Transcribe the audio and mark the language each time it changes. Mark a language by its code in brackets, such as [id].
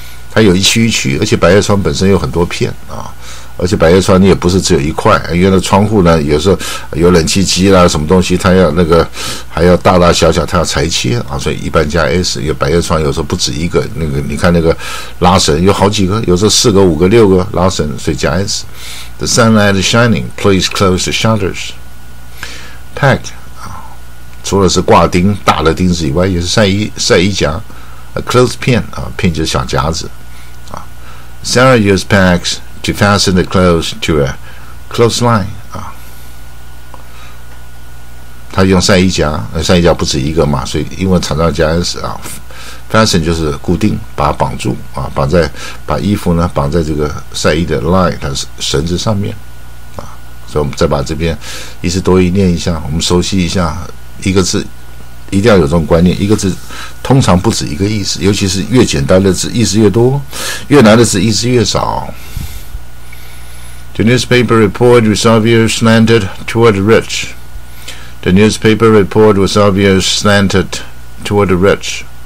[zh] 它有一区一区，而且百叶窗本身有很多片啊，而且百叶窗你也不是只有一块，因为那窗户呢，有时候有冷气机啦，什么东西，它要那个还要大大小小，它要裁切啊，所以一般加 S， 有百叶窗有时候不止一个，那个你看那个拉绳有好几个，有时候四个、五个、六个拉绳，所以加 S。 [en] The sunlight is shining, please close the shutters. [zh] Pack 啊，除了是挂钉大的钉子以外，也是晒衣夹。 [en] A clothespin 啊，pin [zh] 就是小夹子啊。 [en] Sarah used pegs to fasten the clothes to a clothesline 啊。 [zh] 他用晒衣夹，晒衣夹不止一个嘛，所以英文常常加 s 啊。 Fasten 就是固定，把它绑住啊，把衣服呢绑在这个晒衣的 line 它绳子上面啊。所以我们再把这边一字多一念一下，我们熟悉一下一个字。一定要有这种观念，一个字通常不止一个意思，尤其是越简单的字意思越多，越难的字意思越少。 [en] The newspaper report was obviously slanted toward the rich. The newspaper report was obviously slanted toward the rich.